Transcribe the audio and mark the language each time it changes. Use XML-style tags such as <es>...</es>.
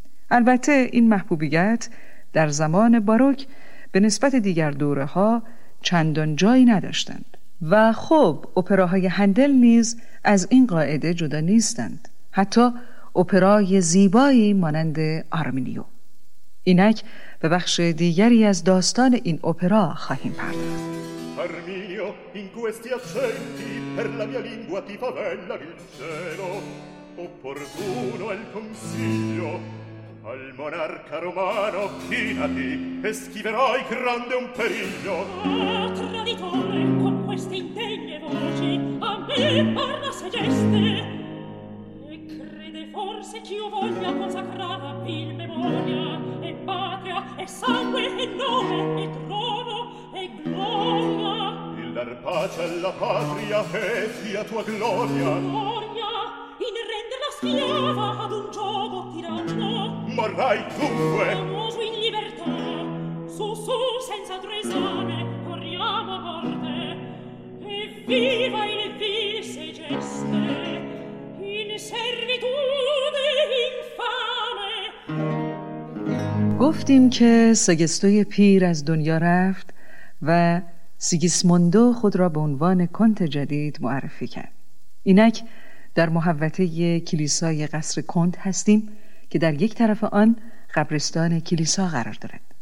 <fa>البته این محبوبیت در زمان باروک به نسبت دیگر دوره‌ها چندان جایی نداشتند و خب اپراهای هندل نیز از این قاعده جدا نیستند، حتی اپرای زیبایی مانند آرمینیو. اینک به بخش دیگری از داستان این اپرا خواهیم پرداخت.</fa> <it>آرمینیو این questi accenti per la mia lingua ti fa bella il cielo opportuno al consiglio al monarca romano chinati e schiverai grande un periglio traditore con queste indegne voci a me parla se geste e crede forse ch'io voglia consacrata vil memoria e patria e sangue e nome e trono e gloria il dar pace alla patria e sia tua gloria gloria in renderla schiava ad un gioco tiranno morrai dunque famoso in libertà su su senza altro esame corriamo a morte e viva il vile se geste in servitude infame.</it> <fa>گفتیم که سگستوی پیر از دنیا رفت و سیگیسموندو خود را به عنوان کنت جدید معرفی کرد. اینک در محوطه کلیسای قصر کنت هستیم که در یک طرف آن قبرستان کلیسا قرار دارد.</fa>